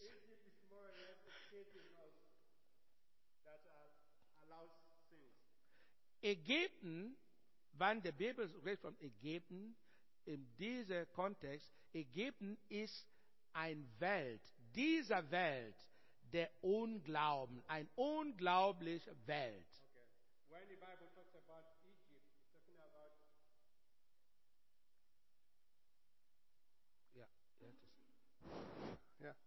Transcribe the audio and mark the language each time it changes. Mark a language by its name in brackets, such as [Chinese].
[English] Egypt is more or less the state in us that allows sins. [German] Ägypten, wenn die Bibel spricht von Ägypten, in diesem Kontext, Ägypten ist ein Welt, dieser Welt der Unglauben, ein unglaubliche Welt. Okay. [English] When the Bible talks about Egypt, it's talking about